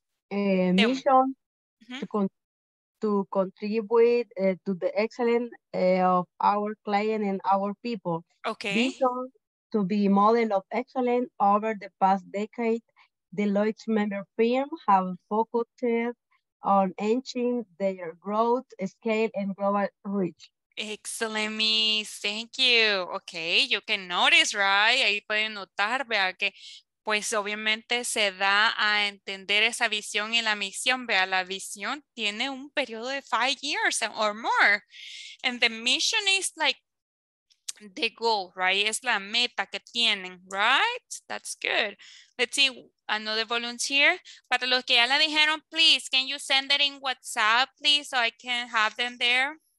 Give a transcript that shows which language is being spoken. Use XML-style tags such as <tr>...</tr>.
<en>Mission, to contribute to the excellence of our client and our people. Okay. Vision to be model of excellence. Over the past decade, Deloitte's member firm have focused on enhancing their growth, scale, and global reach. Excellent, Miss. Thank you. Okay, you can notice, right?</en> <es>Ahí pueden notar, vea, que pues obviamente se da a entender esa visión y la misión. Vea, la visión tiene un periodo de</es> <en>5 years or more. And the mission is like the goal, right?</en> <es>Es la meta que tienen, right?</es> <en>That's good. Let's see, another volunteer.</en> <es>Para los que ya la dijeron,</es> <en>please, can you send it in WhatsApp, please, so I can have them there?</en>